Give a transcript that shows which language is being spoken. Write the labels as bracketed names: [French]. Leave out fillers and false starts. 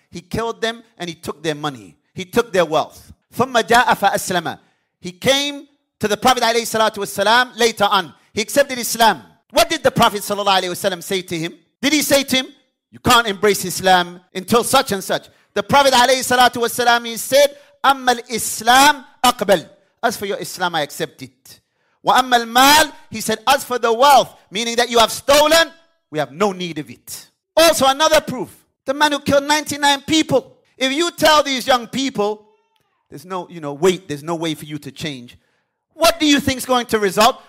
[English] He killed them and he took their money. He took their wealth. [Arabic] ثُمَّ جَاءَ فَأَسْلَمَ. [English] He came to the Prophet عليه الصلاة والسلام later on. He accepted Islam. What did the Prophet صلى الله عليه وسلم say to him? Did he say to him, you can't embrace Islam until such and such? The Prophet عليه الصلاة والسلام, he said, [Arabic] أَمَّا الْإِسْلَامُ أَقْبَلْ. [English] As for your Islam, I accept it. [Arabic] وَأَمَّا الْمَالِ, [English] he said, as for the wealth, meaning that you have stolen, we have no need of it. Also another proof, the man who killed 99 people. If you tell these young people, there's no, you know, wait, there's no way for you to change, what do you think is going to result?